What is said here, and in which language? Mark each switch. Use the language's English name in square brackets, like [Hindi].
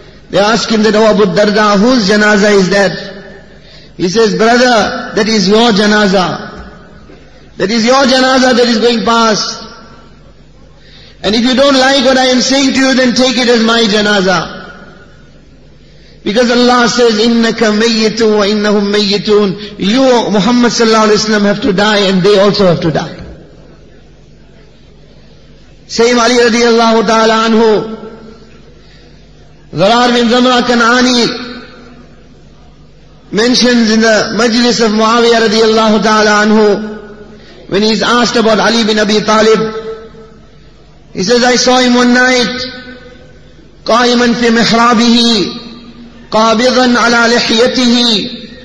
[English] They ask him that, oh Abu Darda, whose janazah is that? He says, brother, that is your janazah. That is your janazah that is going past. And if you don't like what I am saying to you, then take it as my janazah. Because Allah says, [Arabic] إِنَّكَ مَيِّتُونَ وَإِنَّهُمْ مَيِّتُونَ. [English] You, Muhammad sallallahu alayhi wa sallam, have to die and they also have to die. Same Ali radiallahu ta'ala anhu. Zarar bin Zamra Kan'ani mentions in the majlis of Muawiyah radiallahu ta'ala anhu, when he's asked about Ali bin Abi Talib, he says, I saw him one night, [Arabic] قَائِمًا فِي مِحْرَابِهِ قَابِضًا عَلَى لِحْيَتِهِ.